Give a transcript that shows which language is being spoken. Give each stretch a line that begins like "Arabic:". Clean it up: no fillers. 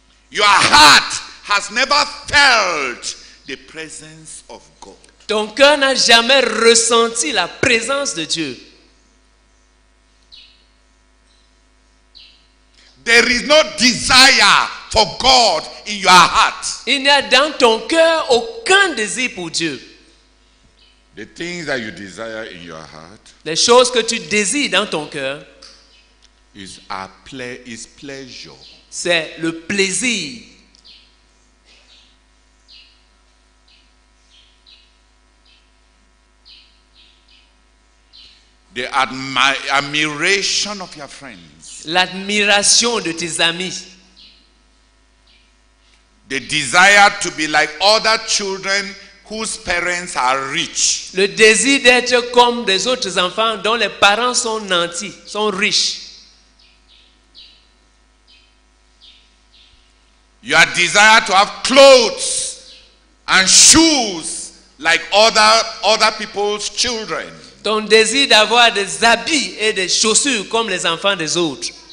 English: Your heart has never felt the presence of God.
French: Ton cœur n'a jamais ressenti la présence de Dieu.
English: There is no desire for God in your heart.
French: Il n'y a dans ton cœur aucun désir pour Dieu.
English: The things that you desire in your heart,
French: les choses que tu désires dans ton cœur,
English: is pleasure.
French: C'est le plaisir.
English: The admiration of your friends.
French: L'admiration de tes amis.
English: The desire to be like other children whose parents are rich.
French: Le désir d'être comme des autres enfants dont les parents sont nantis, sont riches.
English: Your desire to have clothes and shoes like other people's children.
French: Ton désir d'avoir des habits et des chaussures comme les enfants des autres.